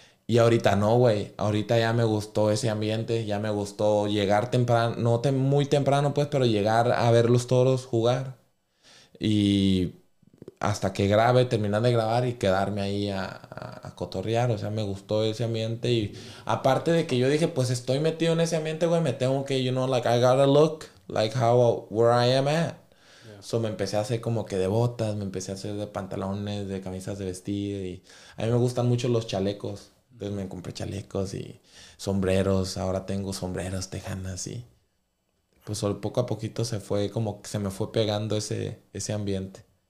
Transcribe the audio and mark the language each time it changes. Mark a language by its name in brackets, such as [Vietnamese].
[Spanish] Y ahorita no, güey. Ahorita ya me gustó ese ambiente. Ya me gustó llegar temprano. No muy temprano, pues, pero llegar a ver los toros jugar. Y hasta que grabe, terminar de grabar y quedarme ahí a cotorrear. O sea, me gustó ese ambiente. Y aparte de que yo dije, pues, estoy metido en ese ambiente, güey. Me tengo que, [English] you know, like, I gotta look like how, where I am at. Yeah. [Spanish] So, me empecé a hacer como que de botas. Me empecé a hacer de pantalones, de camisas de vestir. Y a mí me gustan mucho los chalecos. Entonces me compré chalecos y sombreros. Ahora tengo sombreros tejanas y pues poco a poquito se fue como que se me fue pegando ese ambiente.